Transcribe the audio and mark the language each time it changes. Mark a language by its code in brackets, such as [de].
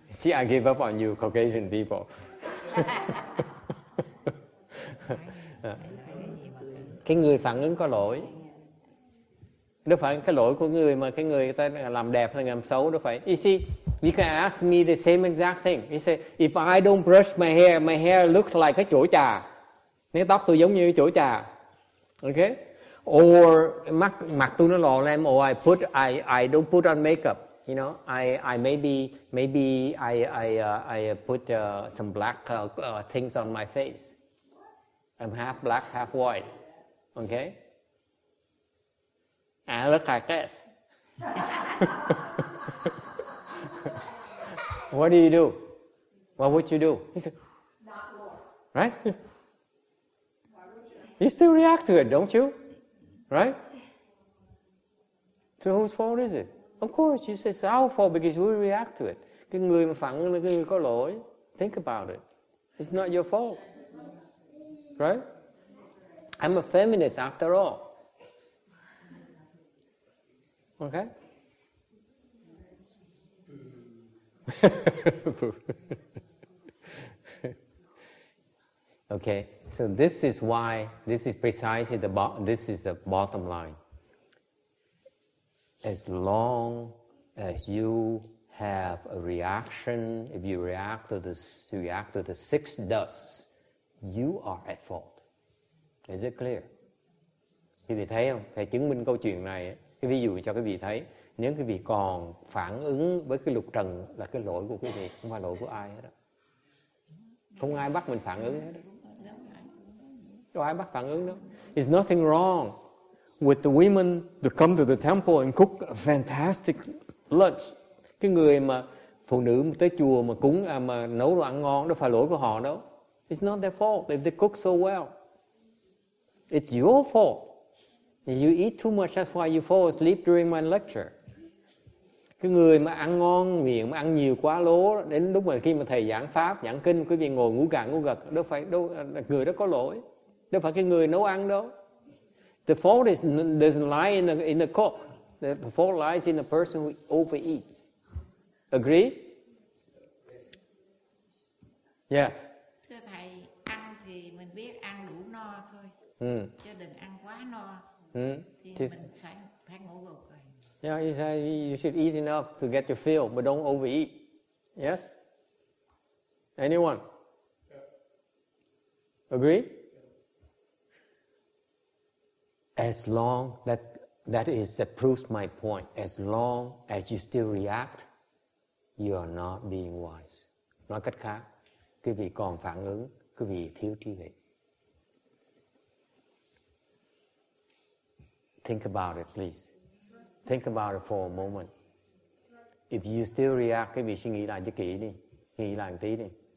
[en] See, I give up on you, Caucasian people. [vi] Cái người phản ứng có lỗi. Đâu phải cái lỗi của người mà cái người ta làm đẹp hay làm xấu đâu phải. [en] You see, you can ask me the same exact thing. You say, if I don't brush my hair looks like [vi] cái chổi trà. Nếu tóc tôi giống như cái chổi trà. [en] Okay? Or [vi] mặt tôi nó lò lem, [en] or I don't put on makeup. You know, I put some black things on my face. I'm half black, half white. Okay? I look like this. What do you do? What would you do? He said, not more. Right? You still react to it, don't you? Right? So whose fault is it? Of course, you say it's our fault because we react to it. [vi] Cái người mà phản ứng là cái người có lỗi. [en] Think about it. It's not your fault. Right? I'm a feminist after all. Okay? Okay, so this is why, this is precisely the bottom line. As long as you have a reaction, if you react to the six dusts, you are at fault. Is it clear? [vi] Thì thầy thấy không? Thầy chứng minh câu chuyện này, cái ví dụ cho quý vị thấy, nếu quý vị còn phản ứng với cái lục trần là cái lỗi của quý vị, không phải lỗi của ai hết đó. Không ai bắt mình phản ứng hết đó. Có ai bắt phản ứng đâu. [en] It's nothing wrong with the women to come to the temple and cook a fantastic lunch. [vi] Cái người mà phụ nữ mà tới chùa mà cúng mà nấu đồ ăn ngon, đâu phải lỗi của họ đâu. [en] It's not their fault if they cook so well. It's your fault. You eat too much, that's why you fall asleep during my lecture. [vi] Cái người mà ăn ngon miệng, ăn nhiều quá lố, đến lúc mà khi mà thầy giảng pháp, giảng kinh, quý vị ngồi ngủ gật, người đó có lỗi. Đâu phải cái người nấu ăn đâu. [en] The fault is doesn't lie in the cook. The fault lies in the person who overeats. Agree? Yes. [vi] Thưa thầy, ăn gì mình biết ăn đủ no thôi. Chứ đừng ăn quá no. Thì mình phải ngủ gục rồi. [en] Yeah, you should eat enough to get your fill, but don't overeat. Yes? Anyone? Agree? As long that is, that proves my point. As long as you still react, you are not being wise. [vi] Nói cách khác, quý vị còn phản ứng, quý vị thiếu trí huệ. [en] Think about it, please. Think about it for a moment. If you still react, [vi] quý vị suy nghĩ lại cho kỹ đi. Nghĩ lại một tí đi.